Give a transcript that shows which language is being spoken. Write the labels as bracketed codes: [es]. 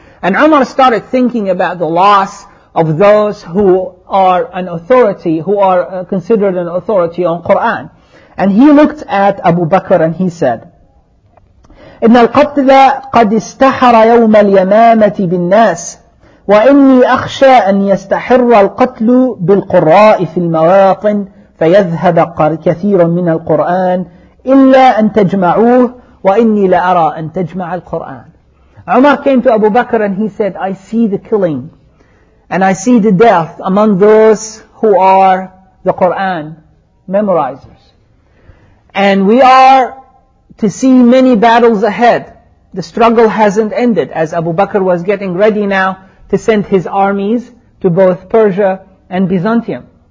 [en] And Umar started thinking about the loss of those who are an authority, who are considered an authority on Quran. And he looked at Abu Bakr and he said, [ar] إن القتل قد استحر يوم اليمامة بالناس وإني أخشى أن يستحر القتل بالقراء في المواطن فيذهب كثير من القرآن إلا أن تجمعوه وإني لأرى أن تجمع القرآن. [en] Umar came to Abu Bakr and he said, I see the killing and I see the death among those who are the Quran memorizers, and we are to see many battles ahead. The struggle hasn't ended, as Abu Bakr was getting ready now to send his armies to both Persia and Byzantium.